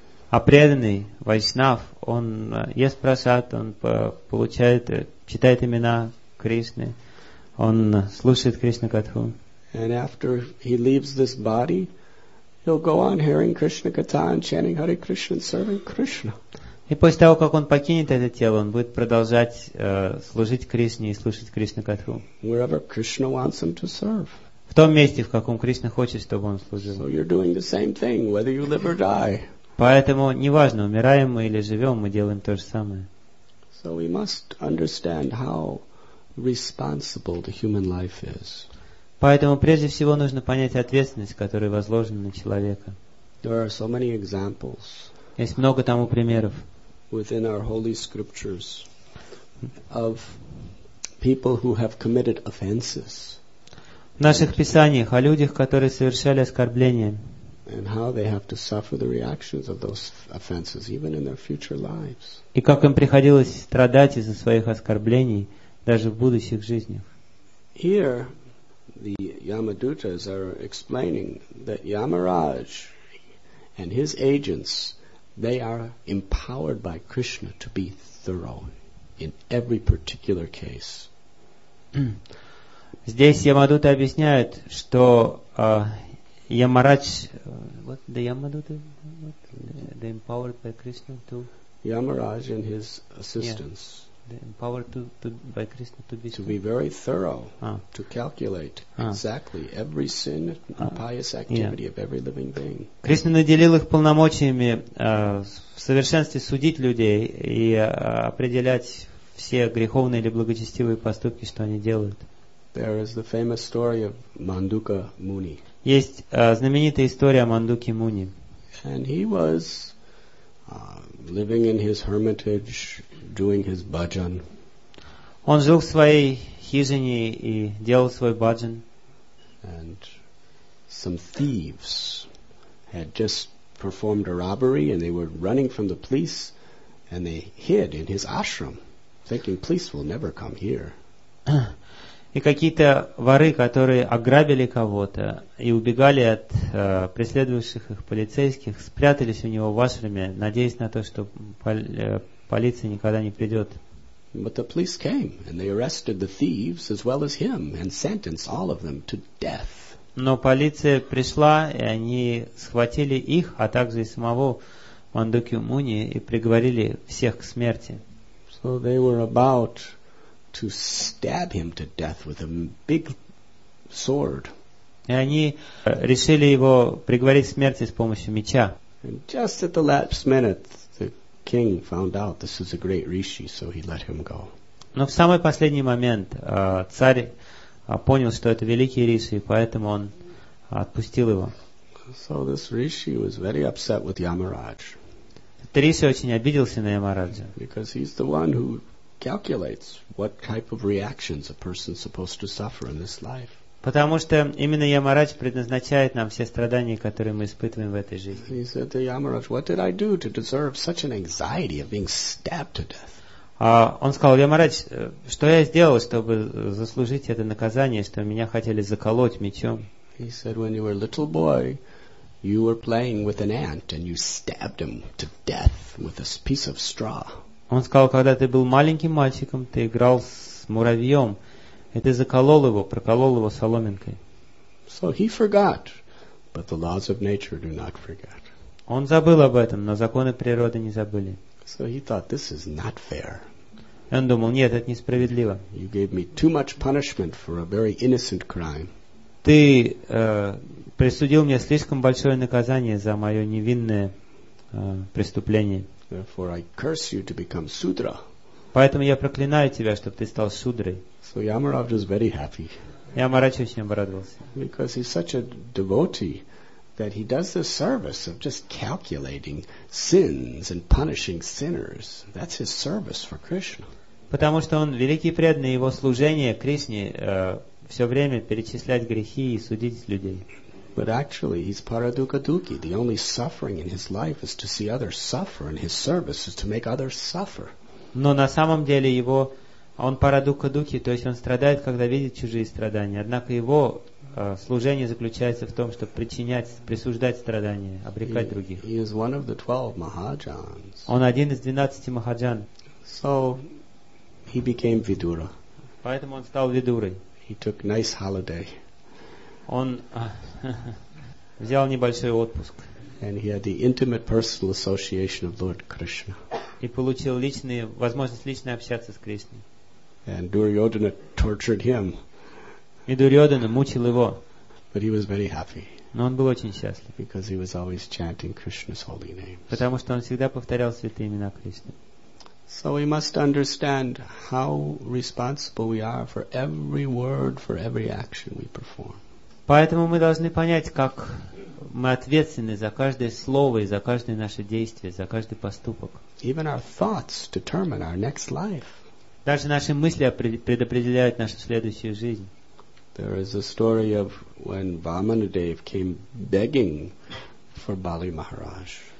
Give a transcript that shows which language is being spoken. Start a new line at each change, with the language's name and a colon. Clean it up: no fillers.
Russian: А преданный Вайшнав, он ест прасад, он получает, читает имена Кришны, он слушает Кришна катху.
English: And after he leaves this body, he'll go on hearing Krishna katha and chanting Hare Krishna and serving Krishna.
Russian: И после того, как он покинет это тело, он будет продолжать служить Кришне и слушать Кришна катху.
English: Wherever Krishna wants him to serve.
Russian: В том месте, в каком Кришна хочет, чтобы он служил.
English: So you're doing the same thing, whether you live or die.
Russian: Поэтому неважно, умираем мы или живем, мы делаем то же самое.
English: So we must understand how responsible the human life is.
Russian: Поэтому прежде всего нужно понять ответственность, которая возложена на человека.
English: There are so many examples.
Russian: Есть много тому примеров.
English: Within our holy scriptures of people who have committed offenses.
Russian: В наших писаниях о людях, которые совершали оскорбления.
English: And how they have to suffer the reactions of those offenses, even in their future lives.
Russian: И как им приходилось страдать из-за своих оскорблений, даже в будущих жизнях.
English: Here, the Yamadutas are explaining that Yamaraj and his agents, they are empowered by Krishna to be thorough in every particular case.
Russian: Здесь Ямадута объясняет, что Ямарадж,
English: what the Yamaduta, what they empowered by Krishna to? Yamaraj and his assistants. Yeah. Empowered to by Krishna to be to be very thorough to calculate exactly every sin and pious activity of every living being.
Russian: Krishna наделил их полномочиями в совершенстве судить людей и определять все греховные или благочестивые поступки, что они делают.
English: There is the famous story of Manduka Muni.
Russian: Есть знаменитая история Мандуки Муни.
English: And he was living in his hermitage, doing his bhajan.
Russian: Он жил в своей хижине и делал свой bhajan.
English: And some thieves had just performed a robbery and they were running from the police and they hid in his ashram, thinking police will never come here.
Russian: И какие-то воры, которые ограбили кого-то и убегали от преследовавших их полицейских, спрятались у него в ашраме, надеясь на то, что полиция никогда не придет.
English: But the police came and they arrested the thieves as well as him and sentenced all of them to death.
Russian: Но полиция пришла, и они схватили их, а также и самого Мандуки Муни, и приговорили всех к смерти.
English: So they were about to stab him to death with a big sword.
Russian: И они решили его приговорить к смерти с помощью меча.
English: And just at the last minute, King found out this is a great rishi, so he let him go.
Russian: Но в самый последний момент царь понял, что это великий риши, поэтому он отпустил его.
English: So this rishi was very upset with Yamaraj.
Russian: Этот риши очень обиделся на Ямараджа.
English: Because he's the one who calculates what type of reactions a person supposed to suffer in this life.
Russian: Потому что именно Ямарадж предназначает нам все страдания, которые мы испытываем в этой жизни.
English: He said to Yamaraj, what did I do to deserve such an anxiety of being stabbed to death?
Russian: Он сказал: Ямарадж, что я сделал, чтобы заслужить это наказание, что меня хотели заколоть мечом?
English: He said, when you were a little boy, you were playing with an ant and you stabbed him to death with a piece of straw.
Russian: Он сказал: когда ты был маленьким мальчиком, ты играл с муравьем. И ты заколол его, проколол его соломинкой.
English: So he forgot, but the laws of nature do not forget.
Russian: Он забыл об этом, но законы природы не забыли.
English: So he thought, this is not fair.
Russian: И он думал: нет, это несправедливо.
English: You gave me too much punishment for a very innocent crime.
Russian: Ты присудил мне слишком большое наказание за мое невинное преступление.
English: Therefore I curse you to become sudra.
Russian: Поэтому я проклинаю тебя, чтобы ты стал судрой.
English: So Yamaraj was very happy.
Russian: Ямарадж очень обрадовался.
English: Because he's such a devotee that he does the service of just calculating sins and punishing sinners. That's his service for Krishna.
Russian: Потому что он великий преданный, его служение Кришне все время перечислять грехи и судить людей.
English: But actually, he's paradukaduki. The only suffering in his life is to see others suffer, and his service is to make others suffer.
Russian: Но на самом деле его он парадукадуки, то есть он страдает, когда видит чужие страдания. Однако его служение заключается в том, чтобы причинять, присуждать страдания, обрекать других.
English: He is one of the 12 Mahajans.
Russian: Он один из 12 Mahajan.
English: So he became Vidura.
Russian: Поэтому он стал Видурой.
English: He took nice holiday.
Russian: Он взял небольшой отпуск.
English: And he had the intimate personal association of Lord Krishna.
Russian: И получил личные, возможность лично общаться с Кришной.
English: And Duryodhana tortured him.
Russian: И Дурьодана мучил его.
English: But he was very happy.
Russian: Но он был очень счастлив.
English: Because he was always chanting Krishna's holy names.
Russian: Потому что он всегда повторял святые имена Кришны.
English: So we must understand how responsible we are for every word, for every action we perform.
Russian: Поэтому мы должны понять, как мы ответственны за каждое слово и за каждое наше действие, за каждый поступок.
English: Even our thoughts determine our next life.
Russian: Даже наши мысли предопределяют нашу следующую жизнь.
English: There is a story of when Vamanadev came begging for Bali Maharaj.